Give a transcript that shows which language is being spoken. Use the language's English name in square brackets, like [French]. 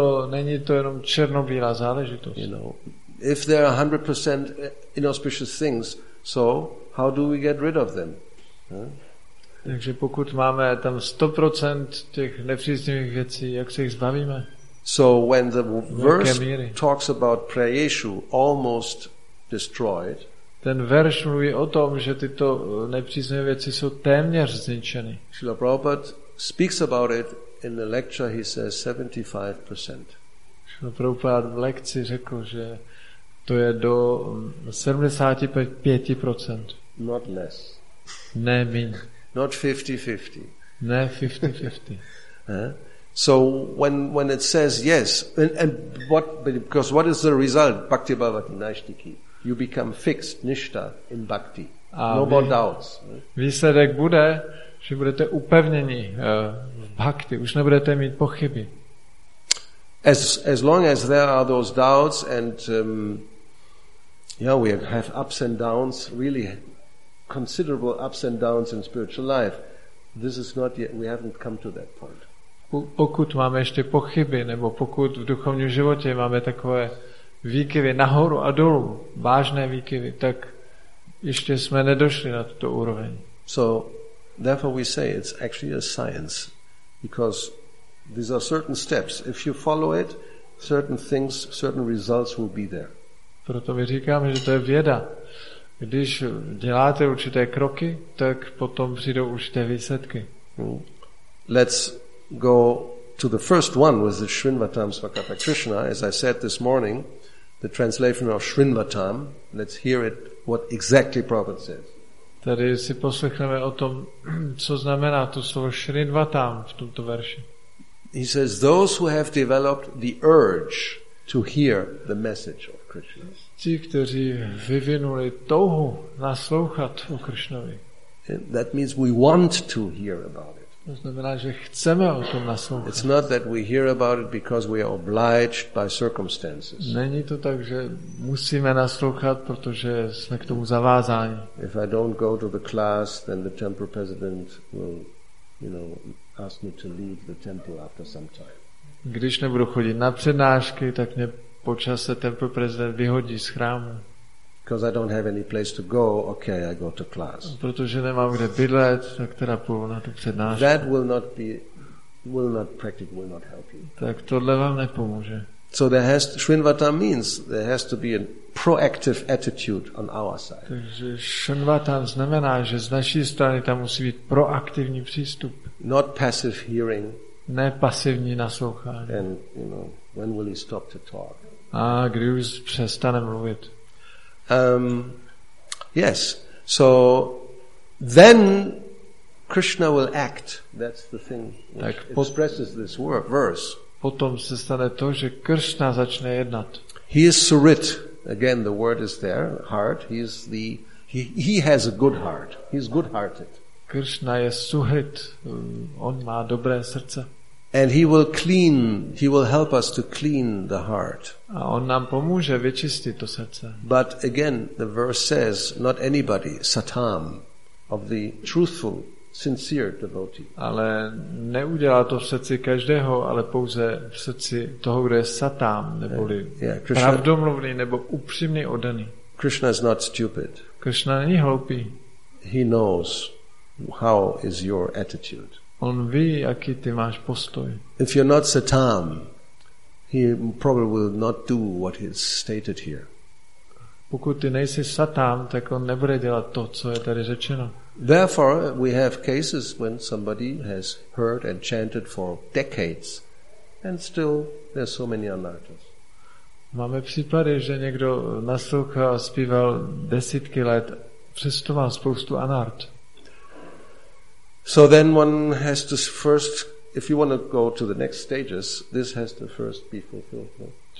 [Czech] Není to jenom černobílá záležitost. [English] You know, if there are 100% inauspicious things, so how do we get rid of them? [Czech] Takže pokud máme tam 100% těch nepříznivých věcí, jak se jich zbavíme? [English] So when the verse talks about prayeshu almost destroyed. [Czech] Ten verš mluví o tom, že tyto nepříznivé věci jsou téměř zničeny. [English] Srila Prabhupada speaks about it in the lecture, he says 75%. [Czech] Srila Prabhupada v lekci řekl, že to je do 75%. [English] Not less. [Czech] Ne míň. [English] Not 50-50. [Czech] Ne 50-50. [English] So when it says yes, and what, because what is the result? [Sanskrit] Bhakti Bhavati Naishtiki. [English] You become fixed, nishta, in bhakti. No more doubts. [Czech] Výsledek bude, že budete upevněni v bhakti. Už nebudete mít pochyby. [English] As long as there are those doubts and we have ups and downs, really considerable ups and downs in spiritual life, this is not yet, we haven't come to that point. [Czech] Pokud máme ještě pochyby, nebo pokud v duchovním životě máme takové výkyvy nahoru a dolů, vážné výkyvy, tak ještě jsme nedošli na tuto úroveň. [English] So, therefore we say it's actually a science, because these are certain steps. If you follow it, certain things, certain results will be there. [Czech] Proto my říkáme, že to je věda. Když děláte určité kroky, tak potom přijdou určité výsledky. [English] Let's go to the first one with the Srinvatam Svakata Krishna. As I said this morning, the translation of Srinvatam, let's hear it, what exactly Prabhupada says. [Czech] Tady si poslechneme o tom, co znamená to slovo Srinvatam v tomto verši. [English] He says, those who have developed the urge to hear the message of Krishna. [Czech] Ti, kteří vyvinuli touhu naslouchat o Krishnovi. [English] That means we want to hear about it. [Czech] To znamená, že chceme o tom naslouchat. [English] It's not that we hear about it because we are obliged by circumstances. [Czech] Není to tak, že musíme naslouchat, protože jsme k tomu zavázáni. [English] If I don't go to the class, then the temple president will, you know, ask me to leave the temple after some time. [Czech] Když nebudu chodit na přednášky, tak mě po čase [English] temple president [Czech] vyhodí z chrámu. [English] Because I don't have any place to go, okay, I go to class. [Czech] Protože nemám kde bydlet, tak teda půjdu na tu přednášku. [English] That will not help you. [Czech] Tak tohle vám nepomůže. [English] So there has Srinvatam means there has to be a proactive attitude on our side. [Czech] Takže Srinvatam znamená, že z naší strany tam musí být proaktivní přístup. [English] Not passive hearing. [Czech] Ne pasivní naslouchání. [English] And you know, when will he stop to talk? [Czech] A kdy už přestane mluvit? [English] Yes. So then Krishna will act. That's the thing which expresses this verse. [Czech] Potom se stane to, že Krishna začne jednat. [English] He is Surit. Again, the word is there. Heart. He is the. He has a good heart. He is good-hearted. [Czech] Krishna je Surit. On má dobré srdce. [English] And he will clean, he will help us to clean the heart. [Czech] A on nám pomůže vyčistit to srdce. [English] But again, the verse says, not anybody, satam, of the truthful, sincere devotee. [Czech] Ale neudělá to v srdci každého, ale pouze v srdci toho, kdo je satam, neboli Krishna, pravdomluvný, nebo upřímný, oddaný. [English] Krishna is not stupid. [Czech] Krishna není hloupý. [English] He knows how is your attitude. [Czech] On ví, jaký ty máš postoj. [English] If you're not satam, he probably will not do what he stated here. [Czech] Pokud ty nejsi satam, tak on nebude dělat to, co je tady řečeno. [English] Therefore, we have cases when somebody has heard and chanted for decades, and still there's so many anarthas. [Czech] Máme případy, že někdo naslouchal a zpíval desítky let, přesto má spoustu anart. [English] So then one has to first, if you want to go to the next stages, this has to first be fulfilled.